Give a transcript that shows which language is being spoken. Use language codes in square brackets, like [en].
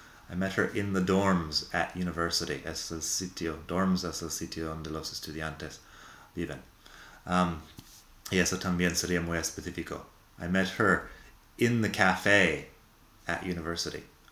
[en] I met her in the dorms at university. [es] Es el sitio. Dorms es el sitio donde los estudiantes viven. Y eso también sería muy específico. [en] I met her in the cafe at university.